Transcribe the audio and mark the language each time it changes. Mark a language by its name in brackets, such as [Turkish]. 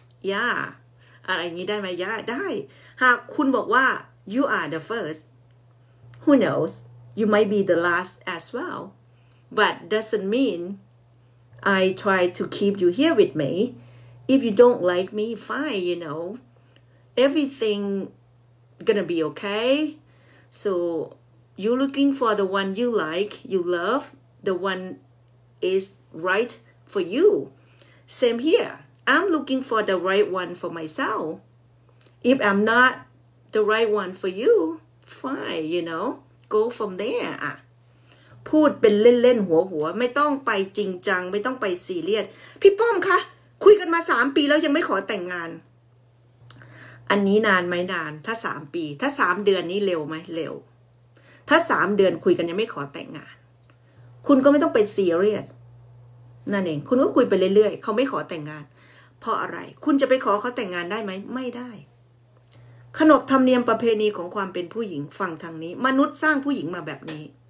[English] yeah [Thai] อะไรอย่างนี้ได้ไหมยะได้หากคุณบอกว่า [English] you are the first who knows you might be the last as well but doesn't meanI try to keep you here with me. If you don't like me, fine, you know. Everything gonna be okay. So you're looking for the one you like, you love. The one is right for you. Same here. I'm looking for the right one for myself. If I'm not the right one for you, fine, you know. Go from there, [Thai] พูดเป็นเล่นๆหัวๆไม่ต้องไปจริงจังไม่ต้องไปซีเรียสพี่ป้อมคะคุยกันมา3ปีแล้วยังไม่ขอแต่งงาน อันนี้นานไหมนานถ้า3ปีถ้า3เดือนนี้เร็วไหมเร็วถ้า3เดือนคุยกันยังไม่ขอแต่งงานคุณก็ไม่ต้องไปซีเรียสนั่นเองคุณก็คุยไปเรื่อยๆเขาไม่ขอแต่งงานเพราะอะไรคุณจะไปขอเขาแต่งงานได้ไหมไม่ได้ขนบธรรมเนียมประเพณีของความเป็นผู้หญิงฟังทางนี้มนุษย์สร้างผู้หญิงมาแบบนี้